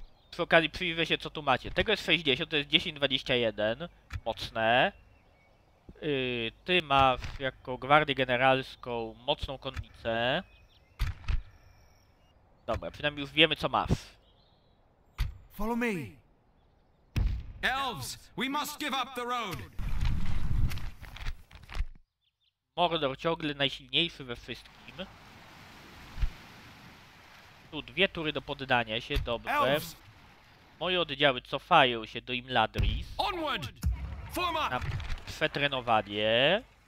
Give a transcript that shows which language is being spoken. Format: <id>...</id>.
<pl>Przy okazji przyjrzę się, co tu macie. Tego jest 60, to jest 10-21. Mocne. Ty masz jako gwardię generalską mocną konnicę. Dobra, przynajmniej już wiemy, co masz.</pl> <en>Follow me. Elves, we must give up the road.</en> <pl>Mordor ciągle najsilniejszy we wszystkim. Tu dwie tury do poddania się, dobrze.</pl> <en>Elves.</en> <pl>Moje oddziały cofają się do Imladris.</pl> <en>Onward! Form up!</en> <pl>Na przetrenowanie.</pl>